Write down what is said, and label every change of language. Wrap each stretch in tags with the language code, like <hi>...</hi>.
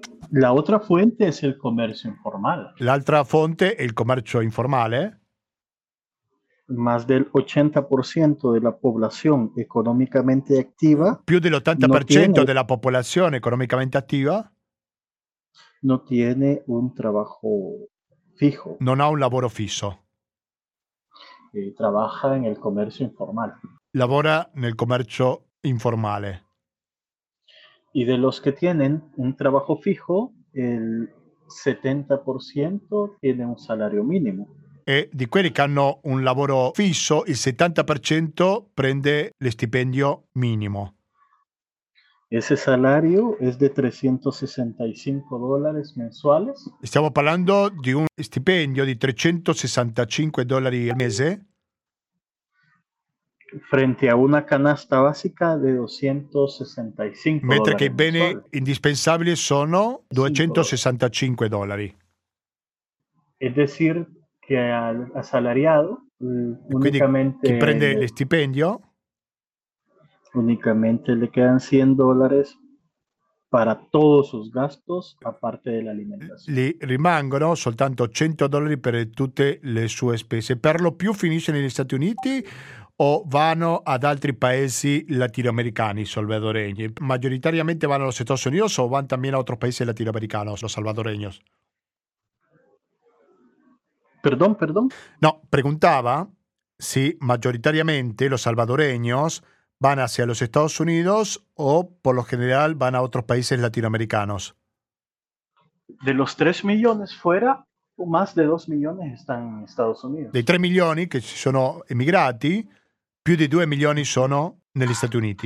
<es>La otra fuente es el comercio informal.</es> <it>L'altra fonte è il commercio informale.</it> <es>Más del 80% de la población económicamente activa.</es> <it>Più dell'80% della popolazione economicamente attiva</it> <es>no tiene un trabajo fijo.</es> <it>Non ha un lavoro fisso.</it> <es>Trabaja en el comercio informal.</es> <it>Lavora nel commercio informale.</it> <es>Y de los que tienen un trabajo fijo, el 70% tiene un salario mínimo.</es> <it>E di quelli che hanno un lavoro fisso, il 70% prende lo stipendio minimo.</it> <es>Ese salario es de 365 dólares mensuales.</es> <it>Stiamo parlando di un stipendio di 365 dollari al mese.</it> <es>Frente a una canasta básica de 265</es> <it>mentre Mentre che i beni indispensabili sono 265 dollari.</it> <es>Es decir, que al asalariado únicamente</es> <it>chi prende lo stipendio</it> <es>únicamente le quedan 100 dólares para todos sus gastos, aparte de la alimentación.</es> <it>Le rimangono soltanto 100 dollari per tutte le sue spese. Per lo più finisce negli Stati Uniti o vanno ad altri paesi latinoamericani, salvadoregni? Maggioritariamente vanno allo Stati Uniti o vanno anche a altri paesi latinoamericani, los salvadoregni?</it> <es>Perdón, perdón. No, preguntava se maggioritariamente los salvadoregni van hacia los Estados Unidos o por lo general van a otros países latinoamericanos. De los 3 millones fuera, más de 2 millones están en Estados Unidos.</es> <it>Dei 3 milioni che si sono emigrati, più di 2 milioni sono negli Stati Uniti.</it>